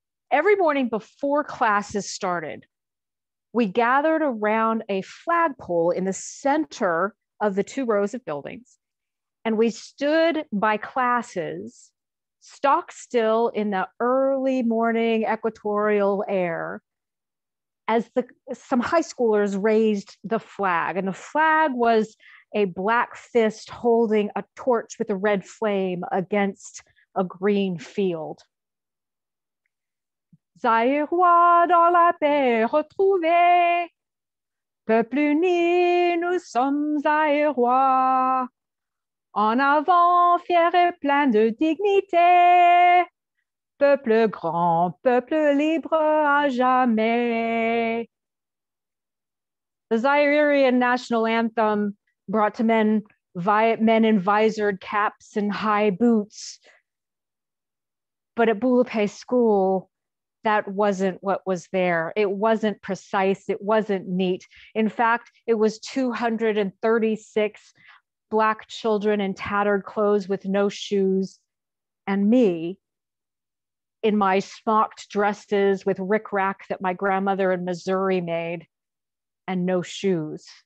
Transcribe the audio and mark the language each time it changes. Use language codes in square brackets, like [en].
[en] Every morning before classes started, we gathered around a flagpole in the center of the two rows of buildings, and we stood by classes, stock still in the early morning equatorial air, as some high schoolers raised the flag. And the flag was a black fist holding a torch with a red flame against a green field. [fr] Zaïroi dans la paix retrouvée, peuple uni, nous sommes Zaïroi. En avant, fier et plein de dignité, peuple grand, peuple libre à jamais. [en] The Zairean national anthem brought to men in visored caps and high boots. But at Bulape School, that wasn't what was there. It wasn't precise. It wasn't neat. In fact, it was 236 Black children in tattered clothes with no shoes, and me in my smocked dresses with rickrack that my grandmother in Missouri made, and no shoes.